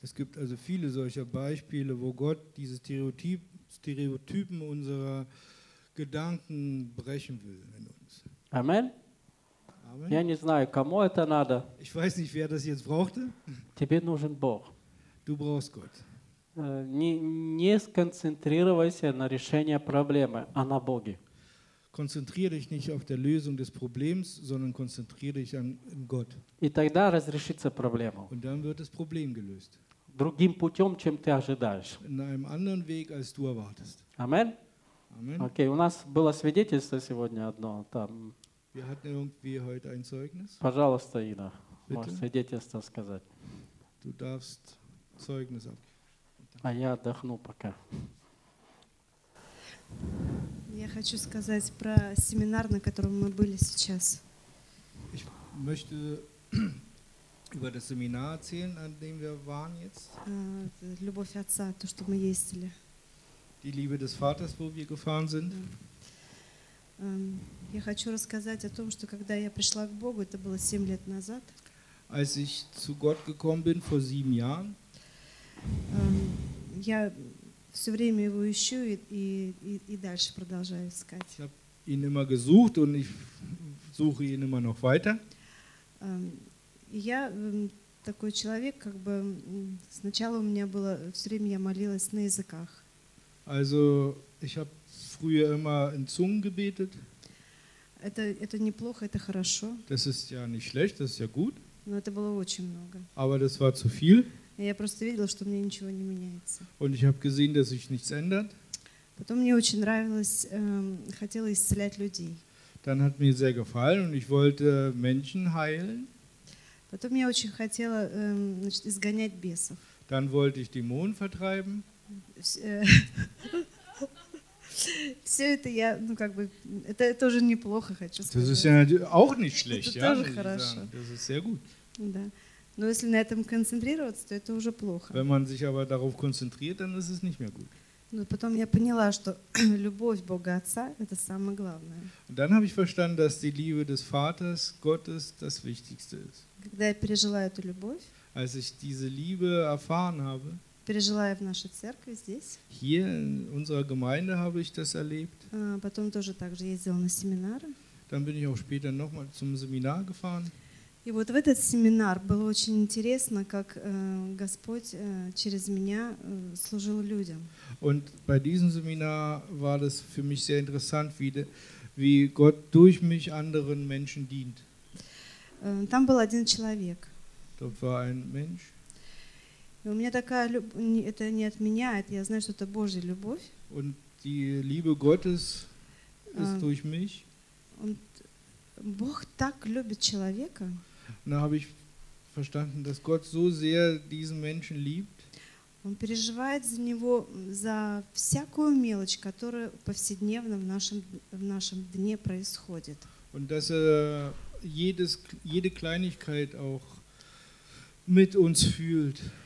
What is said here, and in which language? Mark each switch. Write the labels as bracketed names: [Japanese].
[German] Es gibt also viele solcher Beispiele, wo Gott diese Stereotypen unserer Gedanken brechen will in uns. [Russian] Amen. Я не знаю, кому это надо. [German] Ich weiß nicht, wer das jetzt brauchte. [Russian] Тебе нужен Бог. [German] Du brauchst Gott. [Russian] Не сконцентрируйся на решении проблемы, а на Боге. [German] Konzentriere dich nicht auf der Lösung des Problems, sondern konzentriere dich an Gott. [Russian] И тогда разрешится проблема. [German] Und dann wird das Problem gelöst. [Russian] Другим путем, чем ты ожидаешь. [German] In einem anderen Weg, als du erwartest. Amen. Amen. [Russian] Okay, у нас было свидетельство сегодня одно там. [German] Wir hatten irgendwie heute ein Zeugnis. [Russian] Пожалуйста, Ина, можешь свидетельство сказать. [German] Du darfst Zeugnis ab. [Russian] А я отдохну пока. Я хочу сказать про семинар, на котором мы были сейчас. [German] Ich möchte über das Seminar erzählen, an dem wir waren jetzt. [Russian] Любовь отца, то, что мы ездили. [German] Die Liebe des Vaters, wo wir gefahren sind. [Russian] Я хочу рассказать о том, что когда я пришла к Богу, это было 7 лет назад. [German] Als ich zu Gott gekommen bin vor 7 Jahren. [Russian] Я все время его ищу и дальше продолжаю искать. [German] Ich habe ihn immer gesucht und ich suche ihn immer noch weiter. [Russian] Я такой человек, как бы сначала у меня было все время я молилась на языках. [German] Also ich habe früher immer in Zungen gebetet. [Russian] Это неплохо, это хорошо. [German] Das ist ja nicht schlecht, das ist ja gut. [Russian] Но это было очень много. [German] Aber das war zu viel. [Russian] Я просто видела, что мне ничего не меняется. [German] Und ich habe gesehen, dass sich nichts ändert. [Russian] Потом мне очень нравилось, хотела исцелять людей. [German] Dann hat mir sehr gefallen und ich wollte Menschen heilen. [Russian] Потом я очень хотела, значит, изгонять бесов. [German] Dann wollte ich Dämonen vertreiben. [Russian] Все это я, ну как бы, это тоже неплохо, хочу сказать. [German] Das ist ja auch nicht schlecht, [Russian] ja. Тоже хорошо. [German] Das ist sehr gut. [Russian] Да. Но если на этом концентрироваться, то это уже плохо. [German] Wenn man sich aber darauf konzentriert, dann ist es nicht mehr gut. [Russian] Но потом я поняла, что любовь Бога Отца – это самое главное. [German] Dann habe ich verstanden, dass die Liebe des Vaters Gottes das Wichtigste ist. [Russian] Когда я пережила эту любовь, [German] als ich diese Liebe erfahren habe, [Russian] пережила я в нашей церкви здесь, [German] hier in unserer Gemeinde habe ich das erlebt, [Russian] потом тоже также ездила на семинары, [German] dann bin ich auch später nochmal zum Seminar gefahren. [Russian] И вот в этот семинар было очень интересно, как Господь через меня служил людям. [German] Und bei diesem Seminar war das für mich sehr interessant, wie Gott durch mich anderen Menschen dient. [Russian] Там был один человек. [German] Dort war ein Mensch. [Russian] И у меня такая любовь, это не от меня, это я знаю, что это Божья любовь. [German] Und die Liebe Gottes ist durch mich. [Russian] Und Бог так любит человека. [German] Da habe ich verstanden, dass Gott so sehr diesen Menschen liebt. [Russian] Он переживает за него за всякую мелочь, которая повседневно в нашем дне происходит. [German] Und dass er jede Kleinigkeit auch mit uns fühlt.